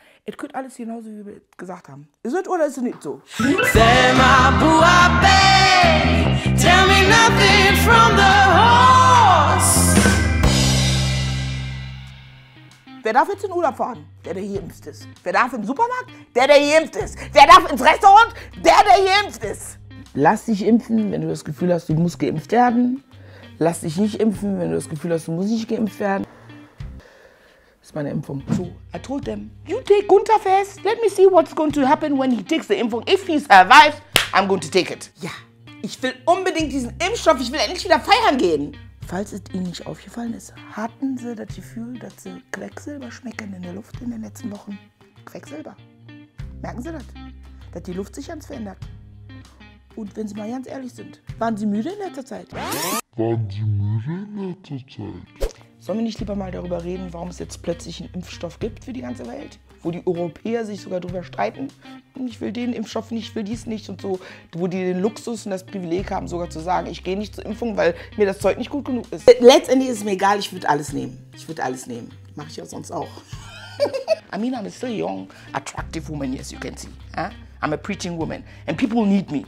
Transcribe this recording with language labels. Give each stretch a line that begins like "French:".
German: Et küt alles genauso wie wir gesagt haben. Ist es oder ist es nicht so?
English: Selma Buabe, tell me nothing from the horse.
German: Wer darf jetzt in Urlaub fahren? Der hier impft ist. Wer darf im Supermarkt? Der hier impft ist. Wer darf ins Restaurant? Der hier impft ist. Lass dich impfen, wenn du das Gefühl hast, du musst geimpft werden. Lass dich nicht impfen, wenn du das Gefühl hast, du musst nicht geimpft werden. Das ist meine Impfung.
English: So, I told them, you take Gunther fest. Let me see what's going to happen when he takes the Impfung. If he survives, I'm going to take it.
German: Ja, ich will unbedingt diesen Impfstoff. Ich will endlich wieder feiern gehen. Falls es Ihnen nicht aufgefallen ist, hatten Sie das Gefühl, dass Sie Quecksilber schmecken in der Luft in den letzten Wochen? Quecksilber. Merken Sie das? Dass die Luft sich ganz verändert. Und wenn Sie mal ganz ehrlich sind, waren Sie müde in letzter Zeit? Waren Sie müde in letzter Zeit? Sollen wir nicht lieber mal darüber reden, warum es jetzt plötzlich einen Impfstoff gibt für die ganze Welt? Wo die Europäer sich sogar darüber streiten? Ich will den Impfstoff nicht, ich will dies nicht und so. Wo die den Luxus und das Privileg haben, sogar zu sagen, ich gehe nicht zur Impfung, weil mir das Zeug nicht gut genug ist. Letztendlich ist es mir egal, ich würde alles nehmen. Ich würde alles nehmen. Mache ich ja sonst auch.
English: I mean, I'm still young, attractive woman, as you can see. I'm a preaching woman and people need me.